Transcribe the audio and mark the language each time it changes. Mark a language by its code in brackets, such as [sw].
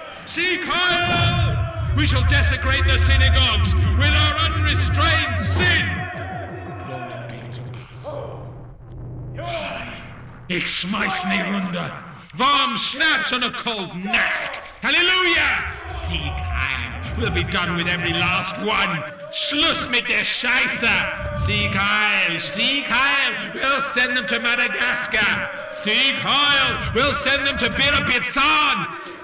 [de] Sieg Heil! [en] We shall desecrate the synagogues with our unrestrained sin! Lord, be to us. [de] Ich schmeiß ne Runde! [en] Warm schnapps on a cold nacht! Hallelujah! [de] Sieg Heil! [en] We'll be done with every last one! [de] Schluss mit der Scheiße! Sieg Heil! Sieg Heil! [en] We'll send them to Madagascar! [de] Sieg Heil! [en] We'll send them to Birapitsan!